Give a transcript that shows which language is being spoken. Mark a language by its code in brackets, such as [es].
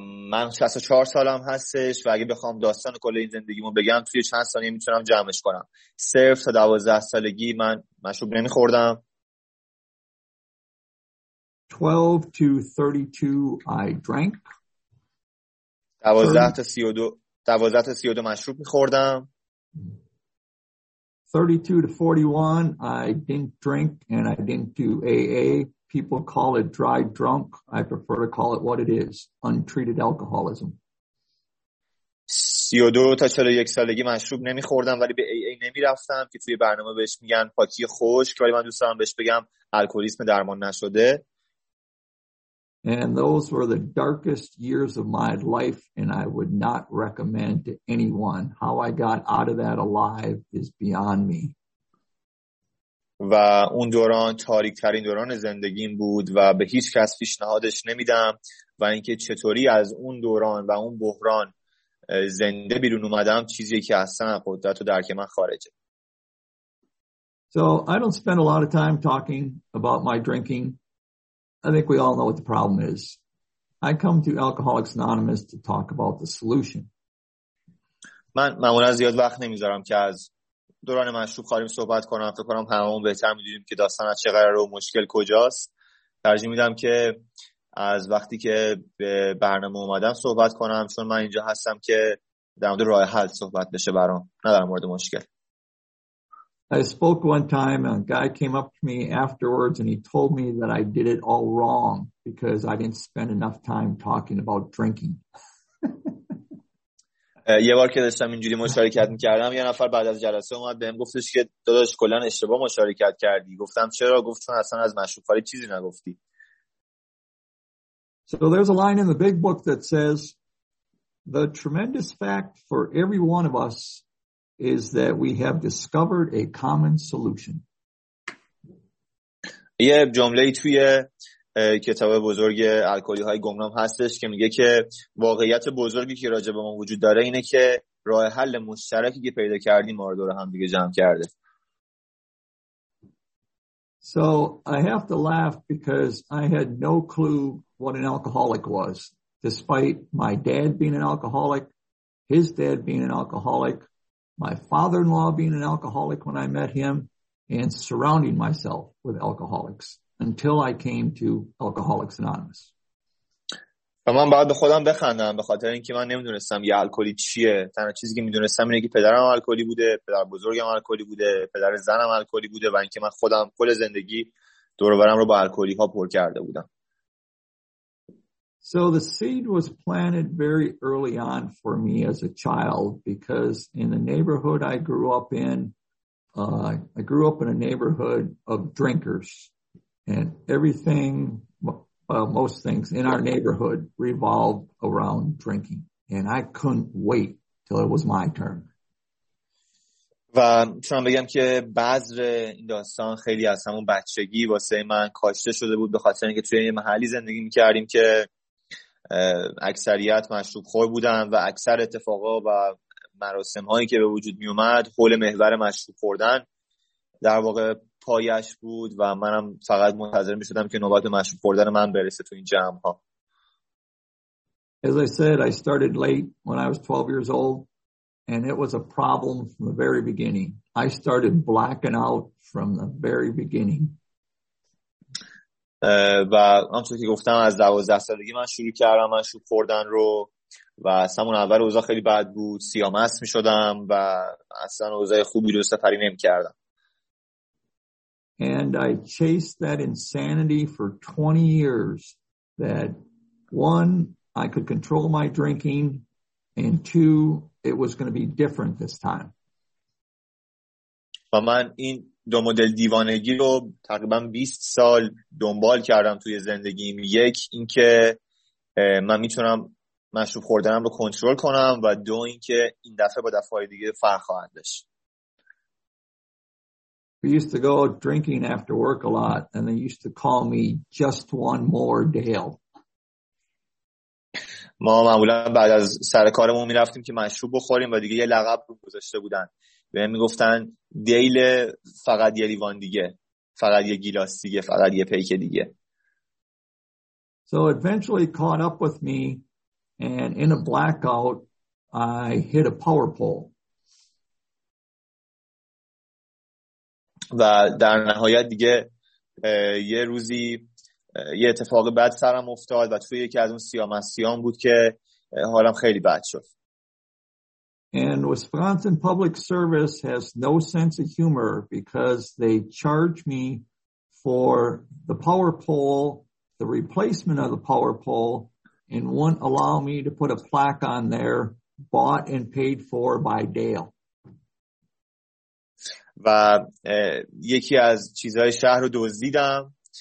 [fa] من 64 سالم هستش و اگه بخوام داستان کل این زندگیمو بگم توی چند ثانیه میتونم جمعش کنم. صرف تا 12 سالگی من مشروب نمیخوردم. [en] 12 to 32 I drank. 12 to 32 [fa] مشروب می‌خوردم. [en] 32 to 41 I didn't drink and I didn't do AA. People call it dry drunk. I prefer to call it what it is, untreated alcoholism. [fa] 32 تا 41 سالگی مشروب نمی‌خوردم ولی به AA نمی‌رفتم که توی برنامه بهش میگن پاکی خشک، ولی من دوست دارم بهش بگم الکلیسم درمان نشده. [en] And those were the darkest years of my life, and I would not recommend to anyone. How I got out of that alive is beyond me. [fa] و اون دوران تاریک‌ترین دوران زندگیم بود و به هیچ کس پیشنهادش نمیدم، و اینکه چطوری از اون دوران و اون بحران زنده بیرون اومدم چیزی که اصلا قدرت و درک من خارجه. [en] So I don't spend a lot of time talking about my drinking. I think we all know what the problem is. I come to Alcoholics Anonymous to talk about the solution. [fa] من معمولا زیاد وقت نمیذارم که از دوران مشروب خاریم صحبت کنم. فکر کنم هممون بهتر میدونیم که داستان از چه قراره و مشکل کجاست. ترجیح میدم که از وقتی که به برنامه اومدم صحبت کنم، چون من اینجا هستم که در مورد راه حل صحبت بشه برام، نه در مورد مشکل. [en] I spoke one time and a guy came up to me afterwards and he told me that I did it all wrong because I didn't spend enough time talking about drinking. [fa] یه بار که داشتم اینجوری مشارکت می‌کردم یه نفر بعد از جلسه اومد بهم گفتش که داداش کلاً اشتباه مشارکت کردی. گفتم چرا؟ گفت چون اصلا از مشروب‌خواری چیزی نگفتی. [en] So there's a line in the big book that says the tremendous fact for every one of us is that we have discovered a common solution. [fa] یه جمله توی کتاب بزرگ الکلی های گمنام هستش که میگه که واقعیت بزرگی که راجع به ما وجود داره اینه که راه حل مشترکی که پیدا کردیم ما رو دور هم دیگه جمع کرده. [en] So I have to laugh because I had no clue what an alcoholic was, despite my dad being an alcoholic, his dad being an alcoholic, my father-in-law being an alcoholic when I met him, and surrounding myself with alcoholics until I came to Alcoholics Anonymous. [fa] من باید به خودم بخندم به خاطر اینکه من نمیدونستم یه الکلی چیه. تنها چیزی که میدونستم اینه که پدرم الکلی بوده، پدر بزرگم الکلی بوده، پدر زنم الکلی بوده، و اینکه من خودم کل زندگی دور و برم رو با الکلی ها پر کرده بودم. [en] So the seed was planted very early on for me as a child because in the neighborhood I grew up in, I grew up in a neighborhood of drinkers and everything, most things in our neighborhood revolved around drinking and I couldn't wait till it was my turn. [fa] و میتونم بگم که بذر این داستان خیلی از همون بچگی واسه من کاشته شده بود به خاطر اینکه توی یه محلی زندگی میکردیم که اکثریت مشروب خور بودن و اکثر اتفاقا و مراسم هایی که به وجود میومد حول محور مشروب خوردن در واقع پایش بود و منم فقط منتظر میشدم که نوبت مشروب خوردن من برسه تو این جمع ها. [en] As I said, I started late when I was 12 years old. And it was a problem from the very beginning. I started blacking out from the very beginning. [fa] و همونطور که گفتم از 12 سالگی من شروع کردم مشروب خوردن رو و همون اول اوضاع خیلی بد بود. سیامست می‌شدم و اصلا اوضاع خوبی رو سفری نمی‌کردم. [en] And I chased that insanity for 20 years that one, I could control my drinking and two, it was going to be different this time. [fa] و من این دو مدل دیوانگی رو تقریبا 20 سال دنبال کردم توی زندگیم. یک اینکه من میتونم مشروب خوردنم رو کنترل کنم و دو اینکه این دفعه با دفعه دیگه فرق خواهد داشت. [en] We used to go drinking after work a lot and they used to call me just one more Dale. [fa] ما معمولا بعد از سر کارمون میرفتیم که مشروب بخوریم و دیگه یه لقب رو گذاشته بودن بهم میگفتن دیل فقط یه لیوان دیگه فقط یه گیلاس دیگه فقط یه پیک دیگه. [en] So eventually caught up with me and in a blackout I hit a power pole. [fa] و در نهایت دیگه یه روزی یه اتفاق بد سرم افتاد و توی یکی از اون سیامستیام بود که حالم خیلی بد شد. [en] And Wisconsin Public Service has no sense of humor because they charge me for the power pole, the replacement of the power pole, and won't allow me to put a plaque on there bought and paid for by Dale. [fa] و یکی از چیزهای شهر رو دزدیدم.